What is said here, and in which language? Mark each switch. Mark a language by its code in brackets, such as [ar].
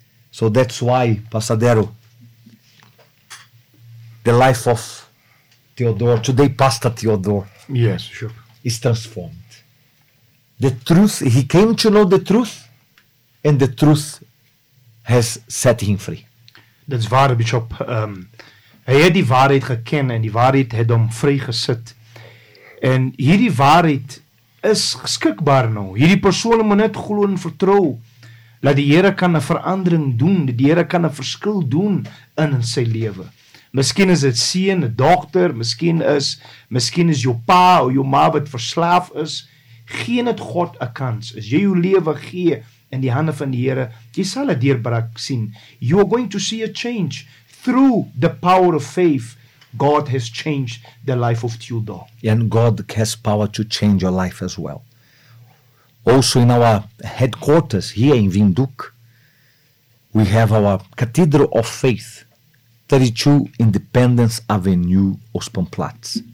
[en] So that's why, Pastadero, the life of Theodore, today Pastor Theodore, yes, sure, is transformed. The truth, he came to know the truth, and the truth has set him free. [af] That's waar, Bishop. Hy het die waarheid geken en die waarheid het hom vry gesit. En hierdie waarheid is geskikbaar nou. Hierdie persoon moet net glo en vertrou dat die Here kan 'n verandering doen, dat die Here kan 'n verskil doen in sy lewe. Miskien is dit seun, 'n dogter, miskien is jou pa of jou ma wat verslaaf is. Gee net God 'n kans. As jy jou lewe gee in die hande van die Here, jy sal 'n deurbraak sien. [en] You are going to see a change. Through the power of faith, God has changed the life of Tudor. And God has power to change your life as well. Also in our headquarters here in Vinduc, we have our Cathedral of Faith, 32 Independence Avenue, Ospenplatz.